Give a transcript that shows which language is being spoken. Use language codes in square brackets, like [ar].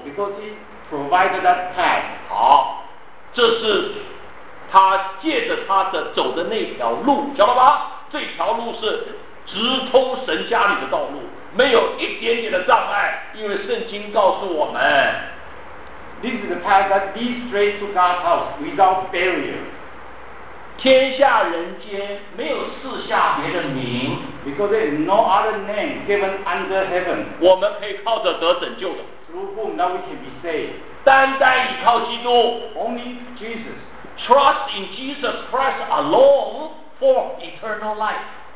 [en] ，because he provided that path。 [zh] 好，这是他借着他的走的那条路，晓得吧？这条路是直通神家里的道路，没有一点点的障碍，因为圣经告诉我们。 [en] This is the path that leads straight to God's house without barrier. [zh] 天下人间没有赐下别的名 [en] ，because there is no other name given under heaven. [zh] 我们可以靠着得拯救的 [en] ，through whom that we can be saved. [zh] 单单依靠基督 [en] ，only Jesus. Trust in Jesus Christ alone for eternal life.